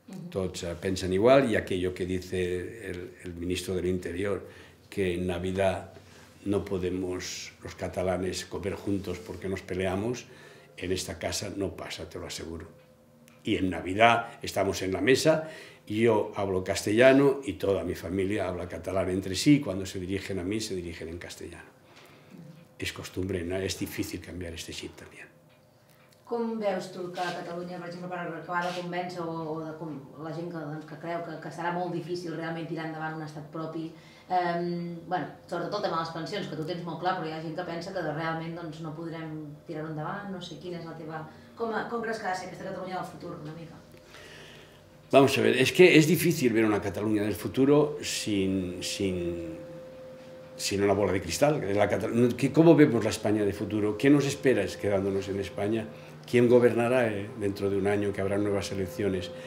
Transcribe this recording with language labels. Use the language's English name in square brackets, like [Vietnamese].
[Catalan] Tots pensen igual, i [Spanish] aquello que dice el ministro de l'Interior, que en Navidad no podemos los catalanes comer juntos porque nos peleamos, en esta casa no pasa, te lo aseguro. Y en Navidad estamos en la mesa, yo hablo castellano y toda mi familia habla catalán entre sí, cuando se dirigen a mí se dirigen en castellano. Es costumbre, ¿no? Es difícil cambiar este chip también. [Catalan] Com veus tu que Catalunya, per exemple, per acabar de convèncer o de com la gent que creu que serà molt difícil realment tirar endavant un estat propi, sobretot el tema de les pensions, que tu tens molt clar, però hi ha gent que pensa que realment no podrem tirar-ho endavant, no sé quina és la teva... Com creus que ha de ser aquesta Catalunya del futur, una mica? [Spanish] Vamos a ver, es que es difícil ver una Cataluña del futuro sin sino una bola de cristal. ¿Cómo vemos la España de futuro? ¿Qué nos espera quedándonos en España? ¿Quién gobernará dentro de un año que habrá nuevas elecciones?